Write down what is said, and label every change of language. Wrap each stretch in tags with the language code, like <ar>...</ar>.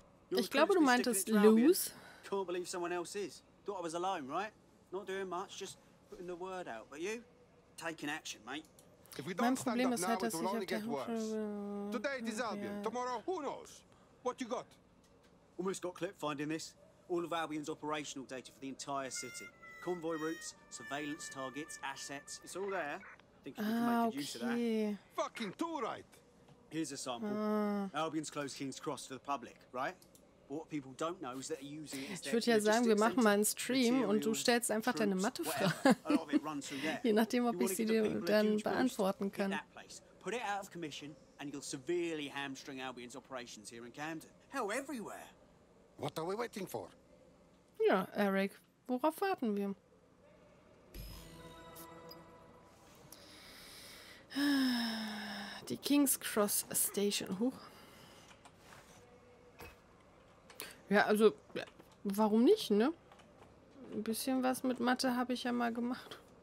<de>Ich glaube, du meintest Luz.</de> <en>Can't believe someone else is. Thought I was alone, right? Not doing much, just putting the word out. But you, taking action, mate. If we don't stand up now, it will only get worse. Today it is Albion. Tomorrow, who knows? What you got? Almost got clipped finding this. All of Albion's operational data for the entire city. Convoy routes, surveillance targets, assets. It's all there. Think you can make use of that. Fucking too right. Here's a sample. Albion's closed King's Cross to the public, right?</en> <de>Ich würde ja sagen, wir machen mal einen Stream und du stellst einfach deine Mathefrage. Je nachdem, ob ich sie dir dann beantworten kann.</de> <en>Put it out of commission and you'll severely hamstring Albion's operations here in Camden. Hell, everywhere. What are we waiting for?</en> <de>Ja, Eric, worauf warten wir? Die King's Cross Station. Huch. Ja, also, warum nicht, ne? Ein bisschen was mit Mathe habe ich ja mal gemacht.</de>